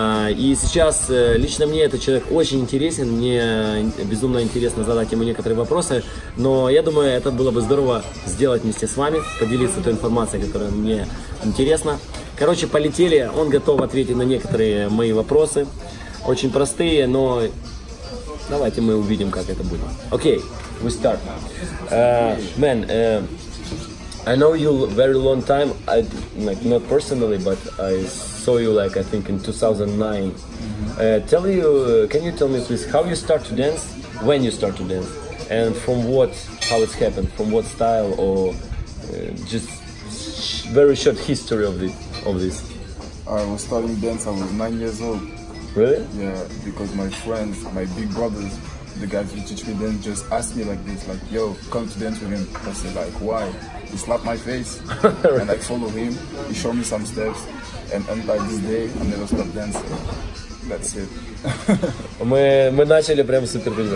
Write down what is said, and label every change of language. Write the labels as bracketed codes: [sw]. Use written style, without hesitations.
[ru] И сейчас лично мне этот человек очень интересен, мне безумно интересно задать ему некоторые вопросы, но я думаю, это было бы здорово сделать вместе с вами, поделиться той информацией, которая мне интересна. Короче, полетели, он готов ответить на некоторые мои вопросы, очень простые, но давайте мы увидим, как это будет. [en] Окей, okay, we start. Man, I know you very long time, not personally, but I saw you like I think in 2009. Mm-hmm. Can you tell me please how you start to dance, when you start to dance, and from what, how it's happened, from what style, or just very short history of it, of this? I was starting dance, I was 9 years old. Really? Yeah, because my friends, my big brothers, the guys who teach me dance, just asked me like this, like, yo, come to dance with him. I said like, why? He slapped my face, right. And I follow him, he showed me some steps, and until this day, I never stopped dancing. That's it. [ru] Мы начали прям супер близко.